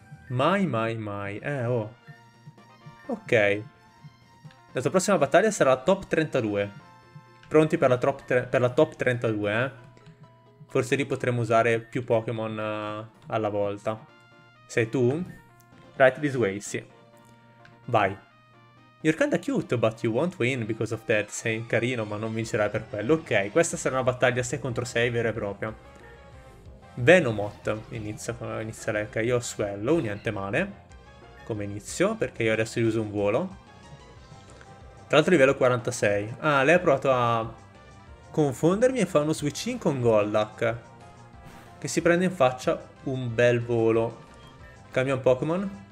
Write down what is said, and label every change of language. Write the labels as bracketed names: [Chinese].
[Italian] Mai, mai, mai. Oh. Ok. La tua prossima battaglia sarà la top 32. Pronti per la top 32, eh? Forse lì potremo usare più Pokémon alla volta. Sei tu? [English] Right this way, [Italian] sì. Vai. [English] You're kinda cute, but you won't win because of that. [Italian] Sei carino, ma non vincerai per quello. Ok, questa sarà una battaglia 6 contro 6 vera e propria. Venomoth. Inizia che io ho Swallow, niente male. Come inizio, perché io adesso uso un volo. Tra l'altro livello 46. Ah, lei ha provato a confondermi e fa uno switch-in con Golduck, che si prende in faccia un bel volo. Cambia un Pokémon.